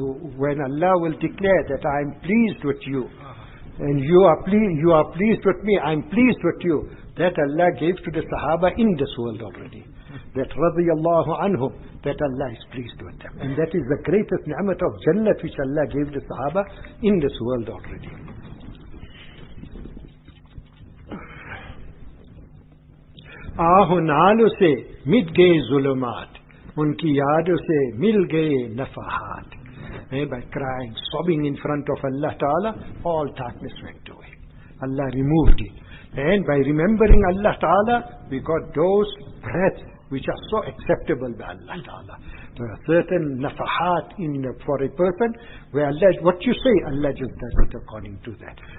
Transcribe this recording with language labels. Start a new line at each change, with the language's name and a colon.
English: When Allah will declare that I am pleased with you, and you are pleased with me, I am pleased with you, that Allah gave to the Sahaba in this world already. That radiyallahu anhum, that Allah is pleased with them. And that is the greatest ni'mat of Jannah which Allah gave the Sahaba in this world already.
Urdu: آہ نالو سے مٹ گئے ظلمات ان کی یادوں سے مل گئے نفحات.
English: By crying, sobbing in front of Allah Ta'ala, all darkness went away. Allah removed it. And by remembering Allah Ta'ala, we got those breaths which are so acceptable by Allah Ta'ala. There are certain nafahat for a person where Allah, what you say, Allah just does it according to that.